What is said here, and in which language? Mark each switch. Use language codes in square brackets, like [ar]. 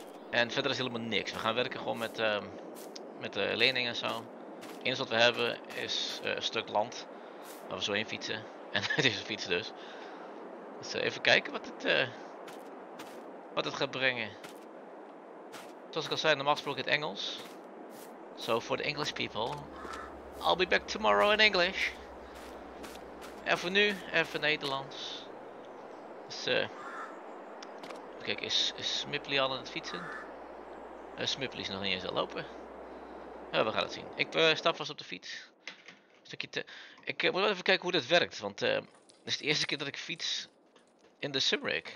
[nl] En verder is helemaal niks. We gaan werken gewoon met de lening en zo. Het enige wat we hebben is een stuk land. Waar we zo heen fietsen. En het is een fiets dus. Dus even kijken wat het gaat brengen. Zoals ik al zei, normaal gesproken het Engels. [en] So for the English people, I'll be back tomorrow in English. [nl] En voor nu, even Nederlands. Dus kijk, is Smipply al aan het fietsen? Smipply is nog niet eens aan het lopen. We gaan het zien. Ik stap vast op de fiets. Ik moet wel even kijken hoe dat werkt, want dit is de eerste keer dat ik fiets in de Simric.